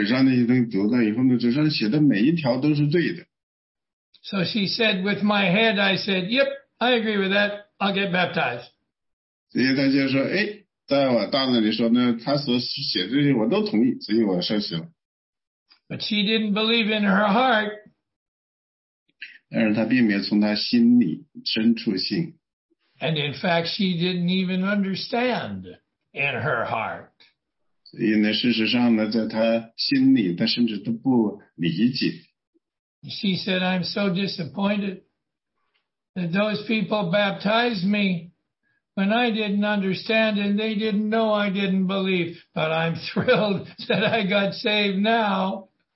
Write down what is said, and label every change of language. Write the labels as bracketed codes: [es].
[zh] 那他说你，我就回到了那个我以前受洗的那个教会，看他们在那里写的纸上的那些东西，我把纸上那些东西读到以后呢，纸上写的每一条都是对的。 [en] So she said with my head, I said, yep, I agree with that, I'll get baptized. [zh] 所以他就说，哎，在我大脑里说呢，他所写的这些我都同意，所以我受洗了。 [en] But she didn't believe in her heart. [zh] 但是他并没有从他心里深处信。 [en] And in fact, she didn't even understand in her heart. [zh] 所以呢，事实上呢，在他心里，他甚至都不理解。 [en] She said, I'm so disappointed that those people baptized me when I didn't understand and they didn't know I didn't believe, but I'm thrilled that I got saved now.